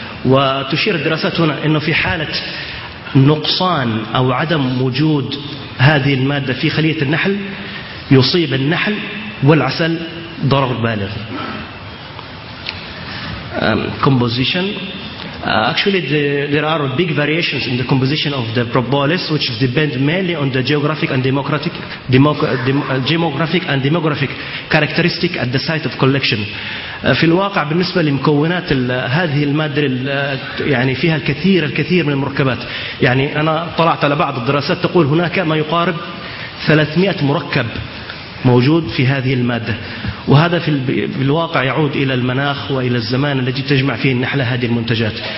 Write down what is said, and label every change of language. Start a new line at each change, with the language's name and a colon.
Arabic: وتشير الدراسات هنا أنه في حالة نقصان أو عدم وجود هذه المادة في خلية النحل يصيب النحل والعسل ضرر بالغ.
English: Composition. Actually there are big variations in the composition of the propolis which depend mainly on the geographic and demographic characteristic at the site of collection.
Arabic: في الواقع بالنسبة لمكونات هذه المادة يعني فيها الكثير من المركبات، يعني أنا طلعت على بعض الدراسات تقول هناك ما يقارب 300 مركب موجود في هذه المادة، وهذا في الواقع يعود إلى المناخ وإلى الزمان الذي تجمع فيه النحلة هذه المنتجات.